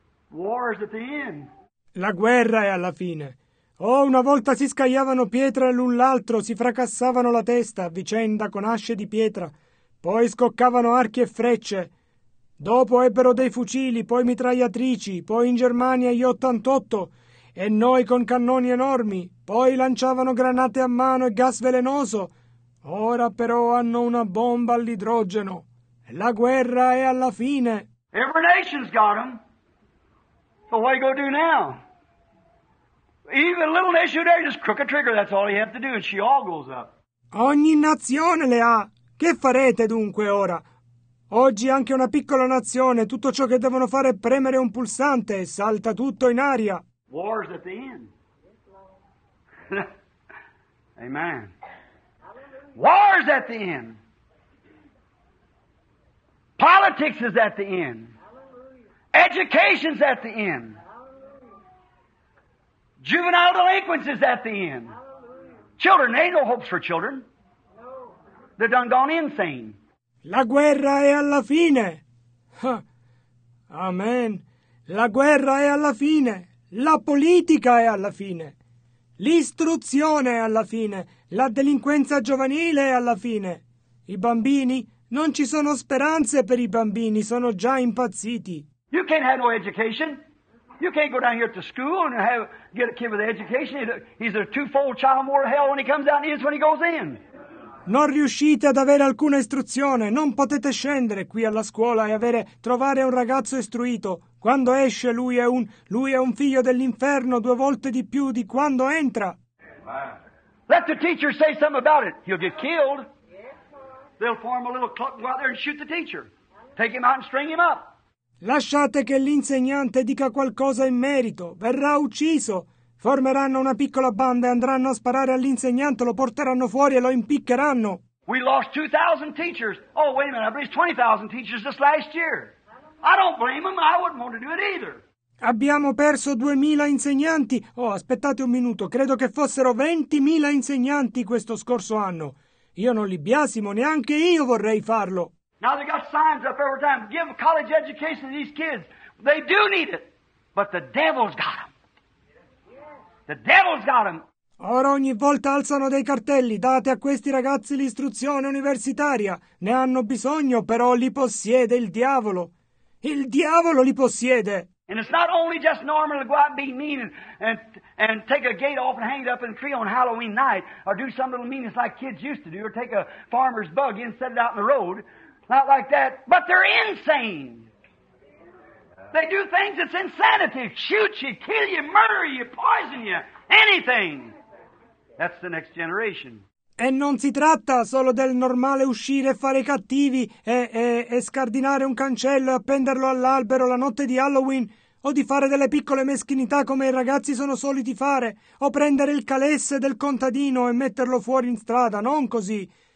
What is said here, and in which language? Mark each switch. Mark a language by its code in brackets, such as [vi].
[en] War is at the end. [it] La guerra è alla fine. Oh, una volta si scagliavano pietre l'un l'altro, si fracassavano la testa, vicenda con asce di pietra. Poi scoccavano archi e frecce. Dopo ebbero dei fucili, poi mitragliatrici, poi in Germania gli 88 e noi con cannoni enormi. Poi lanciavano granate a mano e gas velenoso. Ora però hanno una bomba all'idrogeno. La guerra è alla fine. [en] Every nation's got them. So what are you going to do now? Even a little nation there, just crook a trigger, that's all you have to do, and she all goes up. [it] Ogni nazione le ha. Che farete dunque ora? Oggi anche una piccola nazione, tutto ciò che devono fare è premere un pulsante e salta tutto in aria. [en] War's at the end. Amen. War's at the end. Politics is at the end. Education's at the end. Juvenile delinquency is at the end. Children, ain't no hopes for children. They're done gone insane. [it] La guerra è alla fine. Amen. La guerra è alla fine. La politica è alla fine. L'istruzione è alla fine. La delinquenza giovanile è alla fine. I bambini, non ci sono speranze per i bambini, sono già impazziti. [en] You can't have no education. You can't go down here to school and have, get a kid with an education. He's a two-fold child more of hell when he comes out than he is when he goes in. [it] Non riuscite ad avere alcuna istruzione. Non potete scendere qui alla scuola e avere trovare un ragazzo istruito. Quando esce lui è un figlio dell'inferno due volte di più di quando entra. [en] Let the teacher say something about it. He'll get killed. They'll form a little club and go out there and shoot the teacher. Take him out and string him up. [it] Lasciate che l'insegnante dica qualcosa in merito. Verrà ucciso. Formeranno una piccola banda e andranno a sparare all'insegnante, lo porteranno fuori e lo impiccheranno. [en] We lost 2,000 teachers. Oh, wait a minute, I believe 20,000 teachers this last year. I don't blame them, I wouldn't want to do it either. [it] Abbiamo perso 2,000 insegnanti. Oh, aspettate un minuto, credo che fossero 20,000 insegnanti questo scorso anno. Io non li biasimo, neanche io vorrei farlo. [en] Now they got signs up every time. Give college education to these kids. They do need it, but the devil's got them. The devil's got him. [it] Ora ogni volta alzano dei cartelli. Date a questi ragazzi l'istruzione universitaria. Ne hanno bisogno, però li possiede il diavolo. Il diavolo li possiede. [en] And it's not only just normal to go out and be mean and take a gate off and hang it up in a tree on Halloween night, or do some little meanness like kids used to do, or take a farmer's buggy and set it out in the road. Not like that. But they're insane. They do things that's insanity. Shoot you, kill you, murder you, poison you, anything. That's the next generation. [it] E non si tratta solo del normale uscire e fare i cattivi e scardinare un cancello e appenderlo all'albero la notte di Halloween o di fare delle piccole meschinità come i ragazzi sono soliti fare o prendere il calesse del contadino e metterlo fuori in strada, non così.